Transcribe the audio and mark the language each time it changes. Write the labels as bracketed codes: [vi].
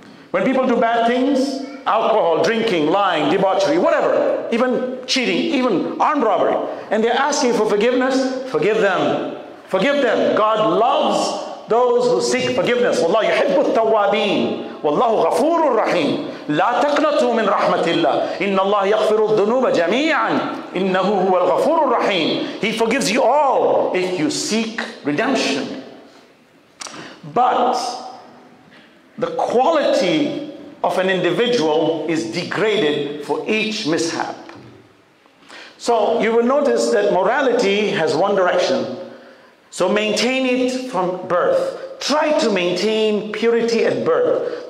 [en] When people do bad things, alcohol, drinking, lying, debauchery, whatever, even cheating, even armed robbery, and they're asking for forgiveness, forgive them. Forgive them. God loves those who seek forgiveness. [ar] Wallahu yuhibbu at-tawwabin. Wallahu ghafurur rahim. لا تقنطوا من رحمة الله إن الله يغفر الذنوب جميعا إنه هو الغفور الرحيم. [en] He forgives you all if you seek redemption. But the quality of an individual is degraded for each mishap. So you will notice that morality has one direction. So maintain it from birth. Try to maintain purity at birth.